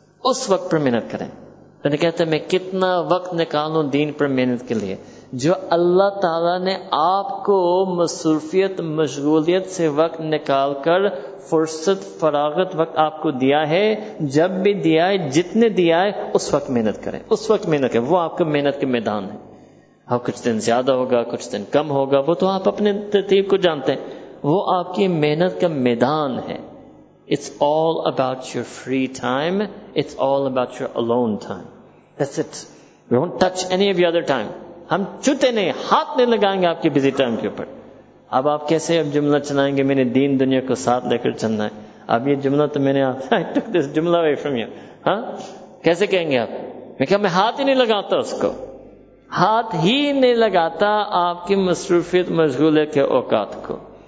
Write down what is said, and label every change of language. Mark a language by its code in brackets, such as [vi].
[ur] اس وقت پر محنت کریں۔ میں نے کہتا ہے میں کتنا وقت نکالوں دین پر محنت کے لیے، جو اللہ تعالیٰ نے آپ کو مصروفیت، مشغولیت سے وقت نکال کر فرصت فراغت وقت آپ کو دیا ہے، جب بھی دیا ہے، جتنے دیا ہے، اس وقت محنت کریں، اس وقت محنت کریں، وہ آپ کا محنت کے میدان ہے۔ اب کچھ دن زیادہ ہوگا، کچھ دن کم ہوگا، وہ تو آپ اپنے ترتیب کو جانتے ہیں، وہ آپ کی محنت کا میدان ہے. [en] It's all about your free time. It's all about your alone time. That's it. We won't touch any of your other time. [ur] ہم چھوتے نہیں, ہاتھ نہیں لگائیں گے آپ کے بزی ٹائم کے اوپر. اب آپ کیسے اب جملہ چلائیں گے, میں نے دین دنیا کو ساتھ لے کر چلنا ہے. اب یہ جملہ تو میں نے آپ سے, [en] I took this [ur] جملہ away from you. ہاں کیسے کہیں گے آپ؟ میں کہا میں ہاتھ ہی نہیں لگاتا اس کو, ہاتھ ہی نہیں لگاتا آپ کی مصروفیت مشغولے کے اوقات کو.